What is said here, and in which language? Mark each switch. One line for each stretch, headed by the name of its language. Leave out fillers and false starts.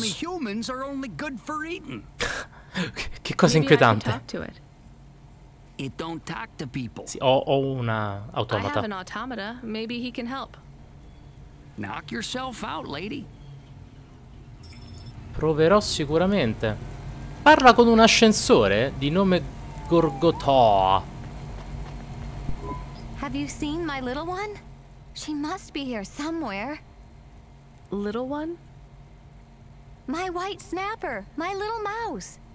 English: Only humans are only good for eating.
Italian: Che cosa inquietante.
English: Talk to it. It don't talk to people.
Italian: Sì, ho una automata.
English: I have an automata. Maybe he can help. Knock yourself out, lady.
Italian: Proverò sicuramente. Parla con un ascensore di nome Gorgotoa.
English: Have you seen my little one? She must be here somewhere. Little one? My white snapper, my little mouse.